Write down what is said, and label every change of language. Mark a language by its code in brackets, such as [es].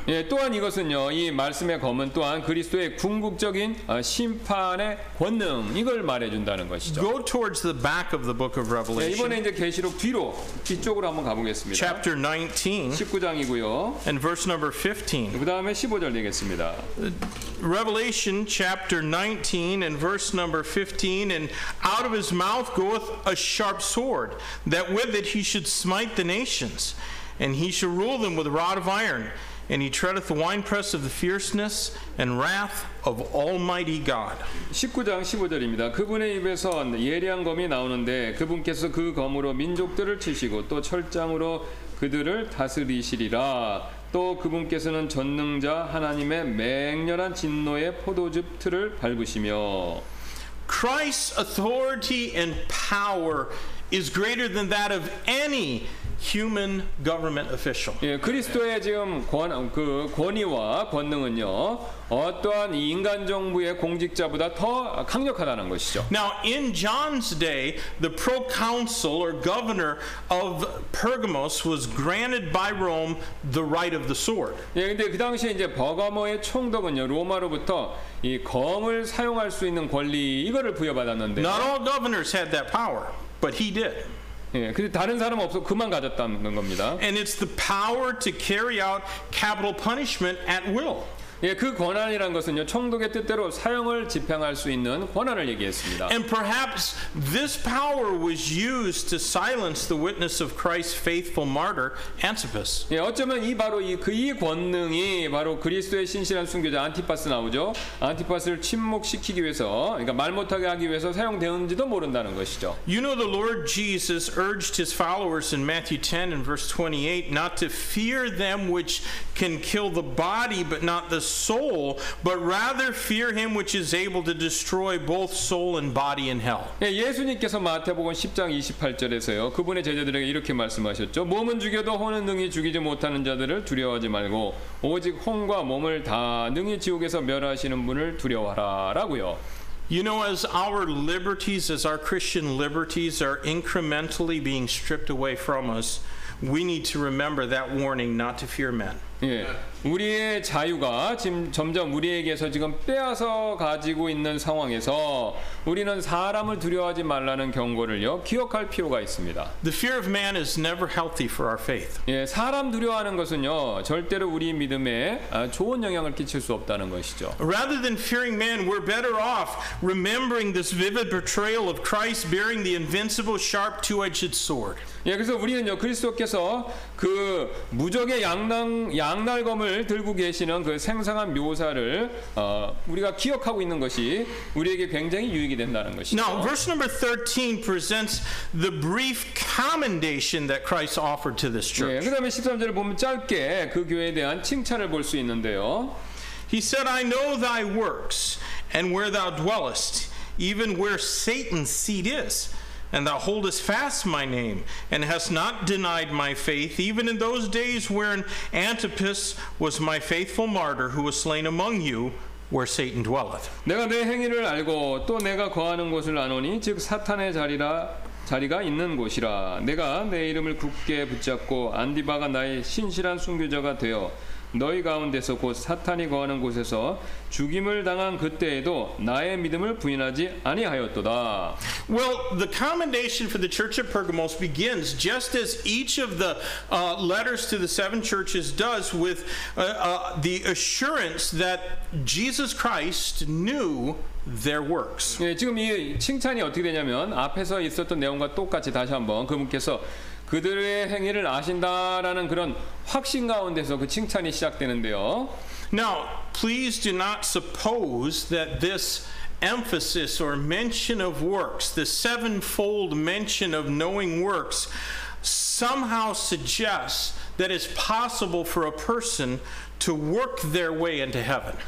[ko] 예, 또한 이것은요, 이 말씀의 검은 또한 그리스도의 궁극적인 심판의 권능 이걸 말해준다는 것이죠. [en] Go towards the back of the book of Revelation. [ko] 예, 이번에 이제 계시록 뒤로 뒤쪽으로 한번 가보겠습니다. [en] Chapter 19, [ko] 19장이고요. [en] And verse number 15. [ko] 그다음에 15절 되겠습니다. [en] Revelation chapter 19 and verse number 15, "And out of his mouth goeth a sharp sword, that with it he should smite the nations, and he shall rule them with a rod of iron, and he treadeth the winepress of the fierceness and wrath of Almighty God." [ko] 19장 15절입니다. 그분의 입에서 예리한 검이 나오는데 그분께서 그 검으로 민족들을 치시고 또 철장으로 그들을 다스리시리라. 또 그분께서는 전능자 하나님의 맹렬한 진노의 포도즙 틀을 밟으시며. [en] Christ's authority and power is greater than that of any human government official. [ko] 예, 그리스도의 지금 권, 그 권위와 권능은요, 어떠한 인간 정부의 공직자보다 더 강력하다는 것이죠. [en] Now in John's day, the proconsul or governor of Pergamos was granted by Rome the right of the sword. [ko] 예, 근데 그 당시에 이제 버가모의 총독은요, 로마로부터 이 검을 사용할 수 있는 권리 이거를 부여받았는데. [en] Not all governors had that power, but he did. [ko] 예, 근데 다른 사람 없어 그만 가졌다는 겁니다. [en] And it's the power to carry out capital punishment at will. [ko] 예, 그 권한이란 것은요, 총독의 뜻대로 사형을 집행할 수 있는 권한을 얘기했습니다. [en] And perhaps this power was used to silence the witness of Christ's faithful martyr, Antipas. [ko] 예, 어쩌면 이 바로 이 그 이 권능이 바로 그리스도의 신실한 순교자 안티파스 나오죠. 안티파스를 침묵시키기 위해서, 그러니까 말 못하게 하기 위해서 사용되었는지도 모른다는 것이죠. [en] You know the Lord Jesus urged his followers in Matthew 10 and verse 28 not to fear them which can kill the body but not the soul, but rather fear him which is able to destroy both soul and body in hell. [ko] 예, 예수님께서 마태복음 10장 28절에서요, 그분의 제자들에게 이렇게 말씀하셨죠. 몸은 죽여도 혼은 능히 죽이지 못하는 자들을 두려워하지 말고 오직 혼과 몸을 다 능히 지옥에서 멸하시는 분을 두려워하라라고요. [en] You know, as our liberties, as our Christian liberties are incrementally being stripped away from us, we need to remember that warning not to fear men. [ko] 예, 우리의 자유가 지금 점점 우리에게서 지금 빼앗아 가지고 있는 상황에서 우리는 사람을 두려워하지 말라는 경고를요 기억할 필요가 있습니다. [en] The fear of man is never healthy for our faith. [ko] 예, 사람 두려워하는 것은요 절대로 우리 믿음에 좋은 영향을 끼칠 수 없다는 것이죠. [en] Rather than fearing man, we're better off remembering this vivid portrayal of Christ bearing the invincible, sharp, two-edged sword. [ko] 예, 그래서 우리는요 그리스도께서 그 무적의 양날검을 들고 계시는 그 생생한 묘사를 우리가 기억하고 있는 것이 우리에게 굉장히 유익이 된다는 것이죠. [en] Now, verse number 13 presents the brief commendation that Christ offered to this church. [ko] 예, 그다음에 13절을 보면 짧게 그 교회에 대한 칭찬을 볼 수 있는데요. [en] He said, I know thy works and where thou dwellest, even where Satan's seat is. And thou holdest fast my name, and hast not denied my faith, even in those days wherein Antipas was my faithful martyr, who was slain among you, where Satan dwelleth. [ko] 내가 내 행위를 알고 또 내가 거하는 곳을 아노니 즉 사탄의 자리가 있는 곳이라. 내가 내 이름을 굳게 붙잡고 안디바가 나의 신실한 순교자가 되어 너희 가운데서 곧 사탄이 거하는 곳에서 죽임을 당한 그때에도 나의 믿음을 부인하지 아니하였도다. [en] Well, the commendation for the church at Pergamos begins just as each of the letters to the seven churches does with the assurance that Jesus Christ knew their works. [ko] 예, 지금 이 칭찬이 어떻게 되냐면 앞에서 있었던 내용과 똑같이 다시 한번 그분께서 그들의 행위를 아신다라는 그런 확신 가운데서 그 칭찬이 시작되는데요. [en] Now, please do not suppose that this emphasis or mention of works, the sevenfold mention of knowing works, somehow suggests that it's possible for a person to work their way into heaven.